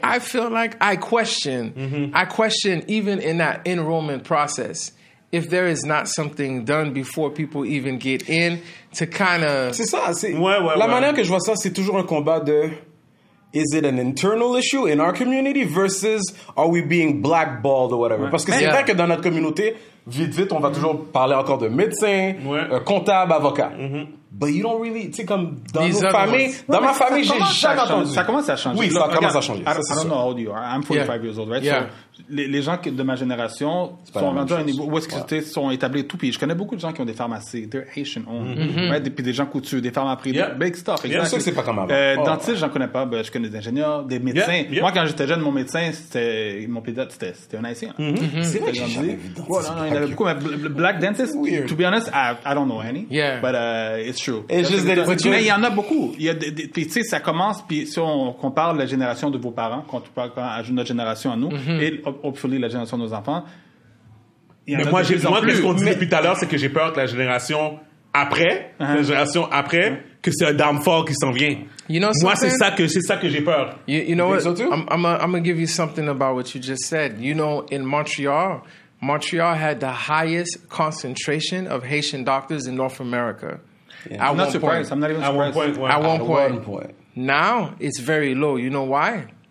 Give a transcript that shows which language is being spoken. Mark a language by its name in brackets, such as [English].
[English] I feel like I question even in that enrollment process if there is not something done before people even get in to kind of... [French] C'est ça. C'est la manière que je vois ça, c'est toujours un combat de... [English] Is it an internal issue in our community versus are we being blackballed or whatever? Ouais. [French] Parce que c'est vrai que dans notre communauté, vite, vite, on va toujours parler encore de médecin, comptable, avocat. [English] But you don't really... [French] Tu sais, comme dans nos familles... Dans ma famille, j'ai jamais entendu. Ça commence à changer. Oui, ça commence à changer. [English] I don't know how old you are. I'm 45 years old, right? Yeah. [French] Les gens de ma génération sont rendus à un niveau où est-ce qu'ils sont établis et tout. Puis je connais beaucoup de gens qui ont des pharmacies. [English] They're Haitian owned. Right? [French] Puis des gens couturiers, des pharma privés. [English] Big stuff. [French] Bien sûr que c'est pas comme avant. Dentiste, j'en connais pas. Ben, je connais des ingénieurs, des médecins. Yeah. Moi, quand j'étais jeune, mon médecin, mon pédiatre, c'était un haïtien. C'est vrai que j'ai jamais vu dentiste. Il y avait beaucoup. [English] Mais black dentist, to be honest, I don't know any. Yeah. But it's true. [French] Mais il y en a beaucoup. Puis tu sais, ça commence. Puis si on compare la génération de vos parents, quand on parle à notre génération à nous, [English] hopefully [French] la génération de nos enfants. Mais moi, ce qu'on dit depuis tout à l'heure, c'est que j'ai peur que la génération après, la génération après, que c'est un downfall qui s'en vient. [English] You know, [French] moi, c'est ça que j'ai peur. [English] You know what? I'm gonna give you something about what you just said. You know, in Montreal had the highest concentration of Haitian doctors in North America. Yeah. I'm not surprised. At one point. Now it's very low. You know why?